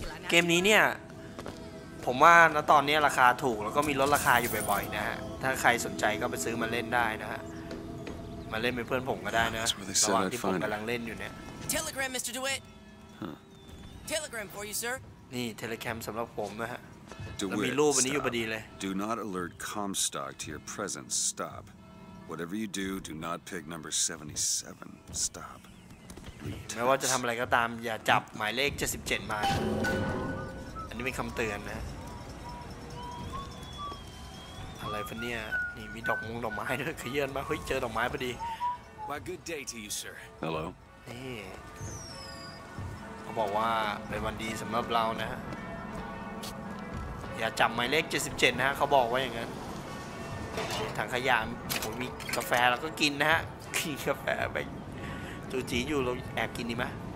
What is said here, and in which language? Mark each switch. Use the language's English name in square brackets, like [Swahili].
[Thai] เกมนี้เนี่ยผมว่าณตอนนี้ราคาถูกแล้วก็มีลดราคาอยู่บ่อยๆนะฮะถ้าใครสนใจก็ไปซื้อมาเล่นได้นะฮะมาเล่นเป็นเพื่อนผมก็ได้นะระหว่างที่ผมกำลังเล่นอยู่เนี่ย [English] Telegram Mr. DeWitt Telegram for you sir [Thai] นี่ Telegram สำหรับผมนะฮะมีรูปอันนี้อยู่พอดีเลย [English] Do not alert Comstock to your presence stop whatever you do do not pick number 77 stop [Thai] ไม่ว่าจะทำอะไรก็ตามอย่าจับหมายเลข77มาอันนี้เป็นคำเตือนนะอะไรฟะเนี่ยนี่มีดอกมงดอกไม้ด้วยขยื่นมาเฮ้ยเจอดอกไม้พอดี [English] Why good day to you sir Hello [Thai] นี่เขาบอกว่าเป็นวันดีสำหรับเรานะอย่าจับหมายเลข77นะเขาบอกว่าอย่างนั้นถังขยะผมมีกาแฟแล้วก็กินนะฮะกินกาแฟไปจูจีอยู่เราแอบกินดีไหม